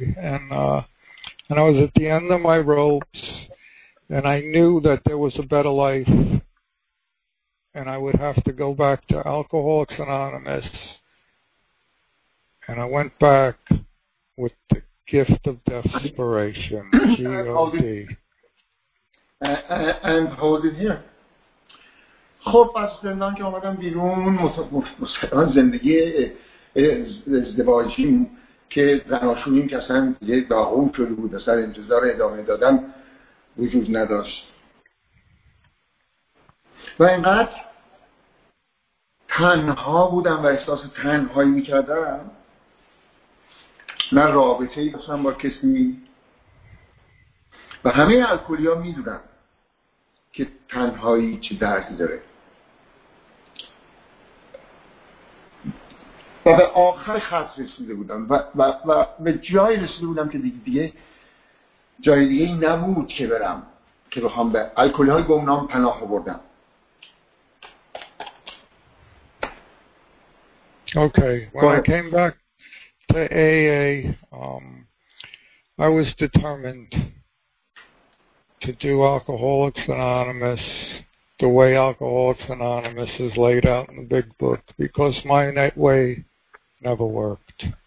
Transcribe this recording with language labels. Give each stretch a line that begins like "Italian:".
English: And I was at the end of my ropes, and I knew that there was a better life, and I would have to go back to Alcoholics Anonymous. And I went back with the gift of desperation, G-O-D. And hold it here.
Persian: خب از زندان که آمدم بیرون مستقران زندگی ازدواجیم که زناشونیم که اصلا یه داغون شده بود و سر انتظار ادامه دادن وجود نداشت و اینقدر تنها بودم و احساس تنهایی میکردم، نه رابطه ای داشتم با کسی و همه الکلی ها میدونم که تنهایی چه دردی داره و به آخر خط رسیده بودم و به جایی رسیده بودم که دیگه جایی دیگه نبود که برم که بخوام به الکلی های گمنام پناه بردم.
English: Okay, when I came back to AA, I was determined to do Alcoholics Anonymous the way Alcoholics Anonymous is laid out in the big book, because my net way never worked.